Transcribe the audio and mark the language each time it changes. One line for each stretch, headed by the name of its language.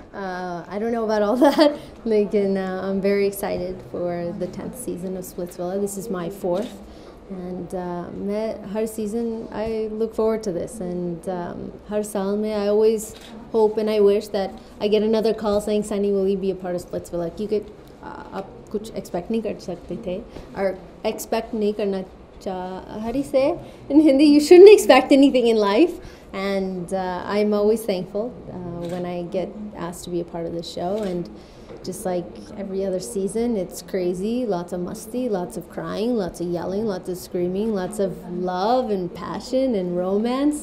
English: I don't know about all that, Megan. I'm very excited for the 10th season of Splitsvilla. This is my fourth. And har season, I look forward to this. And
Hindi: har saal mein,
English: I always hope and I wish that I get another call saying, Sunny, will you be a part of Splitsvilla? Like, you could,
Hindi: आप कुछ expect नहीं कर सकते थे.
English: Or expect
Hindi: नहीं करना चा,
English: how do you say? In Hindi, you shouldn't expect anything in life. And I'm always thankful when I get asked to be a part of the show. And just like every other season, it's crazy, lots of musty, lots of crying, lots of yelling, lots of screaming, lots of love and passion and romance.